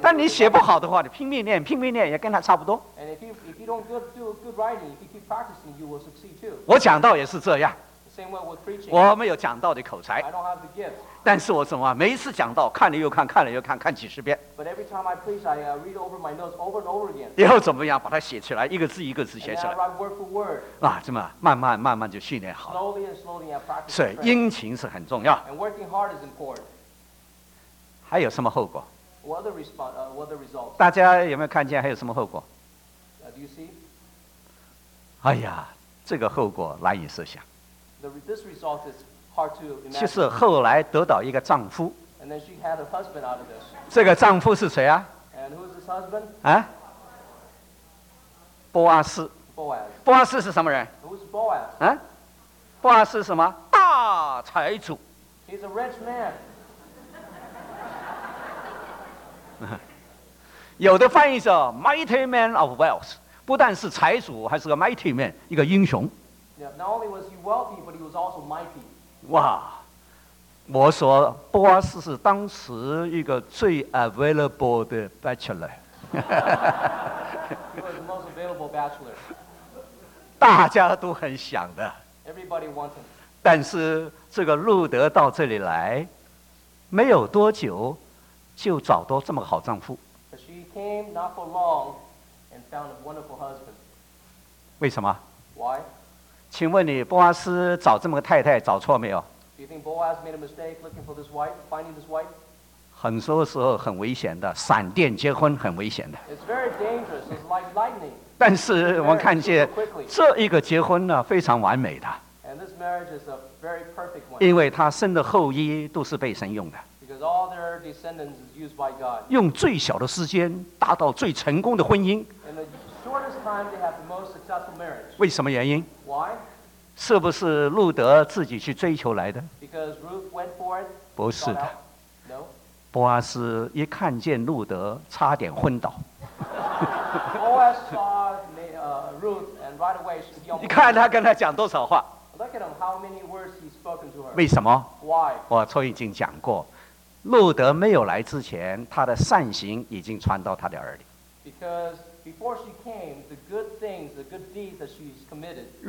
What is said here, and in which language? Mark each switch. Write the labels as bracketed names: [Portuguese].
[Chinese] 但你写不好的话，你拼命练，拼命练也跟他差不多。 [English] And if you don't do good writing, if you keep practicing, you will succeed too. [Chinese] 我讲道也是这样。 [English] Same way with preaching. [Chinese] 我没有讲道的口才。 [English] I don't have the gift. [Chinese] 但是我怎么啊？每一次讲道，看了又看，看了又看，看几十遍。 [English] But every time I preach, I read over my notes over and over again. [Chinese] 以后怎么样？把它写起来，一个字一个字写起来。 [English] And then I write word for word. [Chinese] 啊，这么慢慢慢慢就训练好了。 [English] Slowly and slowly, I practice. [Chinese] 所以殷勤是很重要。 [English] And working hard is important. [Chinese] 还有什么后果？ [English] What the response, what the results? [Chinese] 大家有没有看见还有什么后果？ [English] Do you see? [Chinese] 哎呀，这个后果难以设想。 [English] This result is hard to imagine. [Chinese] 就是后来得到一个丈夫。 [English] And then she had a husband out of this. [Chinese] 这个丈夫是谁啊？ [English] And who is this husband? 啊？ [Chinese] 波阿斯。 [English] Boaz. [Chinese] 波阿斯是什么人？ [English] Who is Boaz? [Chinese] 啊？波阿斯是什么？大财主。 [English] He's a rich man. [Chinese] 有的翻译叫 [English] Mighty Man of Wealth， [Chinese] 不但是财主，还是个 [English] Mighty Man， [Chinese] 一个英雄。 [English] Yeah, not only was he wealthy, but he was also mighty. [Chinese] 哇，我说波阿斯是当时一个最 available 的 bachelor。 [English] He was the most available bachelor. [Chinese] 大家都很想的。 [English] Everybody wants him. [Chinese] 但是这个路德到这里来，没有多久。就找到这么个好丈夫。 [English] She came not for long and found a wonderful husband. [Chinese] 为什么？ [English] Why? [Chinese] 请问你波阿斯找这么个太太找错没有？ [English] Do you think Boaz made a mistake looking for this wife, finding this wife? [Chinese] 很多时候很危险的，闪电结婚很危险的。 [English] It's very dangerous. It's like lightning. [Chinese] 但是我们看见这一个结婚呢，非常完美的。 [English] And this marriage is a very perfect one. [Chinese] 因为他生的后裔都是被神用的。 [English] Because all their descendants is used by God. [Chinese] 用最小的时间达到最成功的婚姻。 [English] In the shortest time, they have the most successful marriage. [Chinese] 为什么原因？ [English] Why? [Chinese] 是不是路德自己去追求来的？ [English] Because Ruth went for it. [Chinese] 不是的。 [English] No. [Chinese] 波阿斯一看见路德，差点昏倒。 [English] Boaz saw Ruth, and right away she almost. [Chinese] 你看他跟他讲多少话？ [English] Look at him. How many words he's spoken to her? [Chinese] 为什么？ [English] Why? [Chinese] 我从已经讲过。路德没有来之前，他的善行已经传到他的耳里。 [English] Because before she came, the good things, the good deeds that she's committed.